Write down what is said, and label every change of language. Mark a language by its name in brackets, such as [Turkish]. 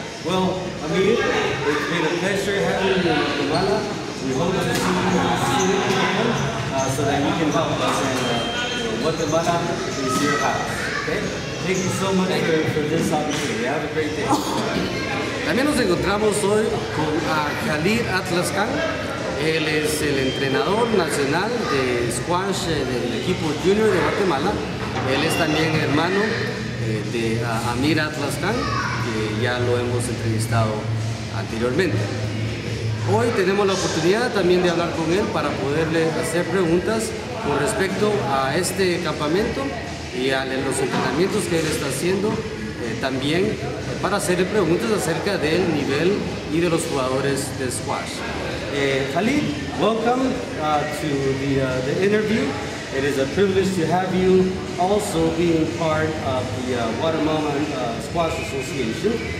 [English] Well, Amir, it's been a pleasure having you in Guatemala. We hope to see you soon again so that you can help us and Guatemala is your house. Okay? Thank you so much for this opportunity. Have a great day. [Spanish] También nos encontramos hoy con Khalid Atlas Khan. Él es el entrenador nacional de squash del equipo junior de Guatemala. Él es también hermano de Amir Atlas Khan, que ya lo hemos entrevistado anteriormente. Hoy tenemos la oportunidad también de hablar con él para poderle hacer preguntas con respecto a este campamento y a los entrenamientos que él está haciendo. También para hacerle preguntas acerca del nivel y de los jugadores de squash. [English] Khalid, welcome to the interview. It is a privilege to have you also being part of the Guatemala Squash Association.